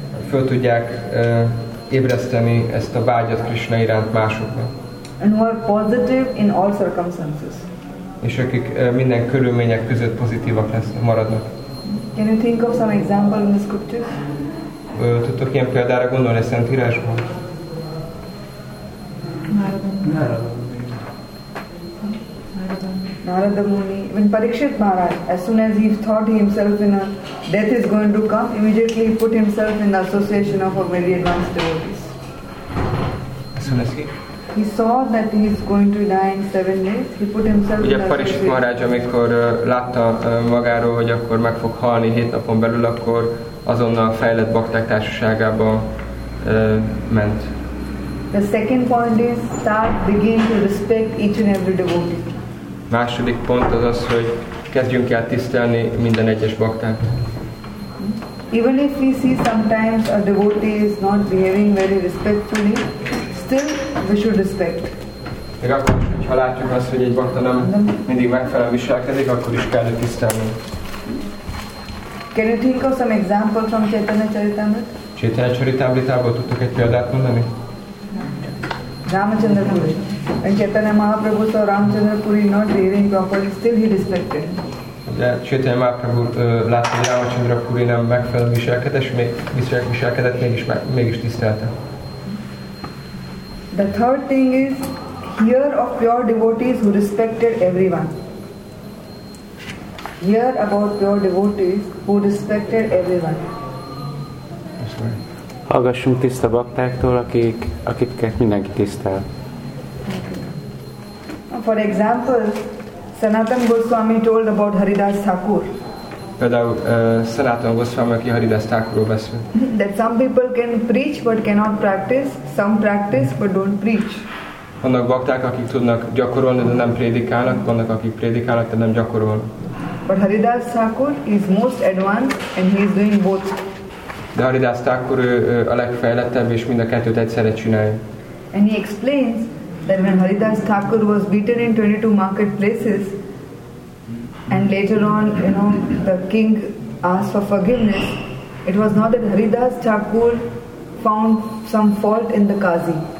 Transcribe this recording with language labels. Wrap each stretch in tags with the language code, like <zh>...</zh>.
<hu>föl tudják ébreszteni ezt a vágyat Krishna iránt másokban.</hu> <en>And who are positive in all circumstances.</en> <hu>És akik minden körülmények között pozitívak lesznek, maradnak.</hu> <en>Can you think of some example in the scriptures?</en> <hu>Tudtok ilyen példára gondolni a Szentírásban?</hu> <en>Narada Muni. When Parikshit Maharaj, as soon as he thought himself in a death is going to come, immediately he put himself in the association of a very advanced devotees. As soon as he saw that he is going to die in 7 days, he put himself ugye in the association.</en> <hu>Ugye Parikshit Maharaj, amikor látta magáról, hogy akkor meg fog halni 7 napon belül, akkor azonnal fejlett bakták társaságába ment.</hu> <en>The second point is start begin to respect each and every devotee.</en> <hu>Második pont az az, hogy kezdjünk el tisztelni minden egyes baktát.</hu> <en>Even if we see sometimes a devotee is not behaving very respectfully, still we should respect.</en> <hu>Még akkor, ha látjuk azt, hogy egy bakta nem mindig megfelelően viselkedik, akkor is kell tisztelni.</hu> <en>Can you think of some example from Chaitanya Charitamrita?</en> <hu>Chaitanya Charitamritából tudtok egy példát mondani?</hu> <en>Ramachandra Puri. When Chaitanya Mahaprabhu saw Ramachandra Puri not behaving properly, still he respected.</en> <hu>De Chaitanya Mahaprabhu látta, hogy Ramachandra Puri nem megfelelően viselkedett, mégis tisztelte.</hu> <en>The third thing is, hear of pure devotees who respected everyone. Hear about pure devotees who respected everyone.</en> <hu>Hallgassunk tiszta baktáktól, akiket mindenki tisztel.</hu> <en>For example, Sanatan Goswami told about Haridas Thakur.</en> <hu>Például Sanatan Goswami, aki Haridas Thakurról beszél.</hu> <en>That some people can preach but cannot practice, some practice but don't preach.</en> <hu>Vannak bakták, akik tudnak gyakorolni, de nem prédikálnak, vannak, akik prédikálnak, de nem gyakorolnak.</hu> <en>But Haridas Thakur is most advanced and he is doing both.</en> <hu>De Haridas Thakur a legfejlettebb és mind a kettőt egyszerre csinálja.</hu> <en>And he explains that when Haridas Thakur was beaten in 22 marketplaces and later on, you know, the king asked for forgiveness, it was not that Haridas Thakur found some fault in the Kazi.</en>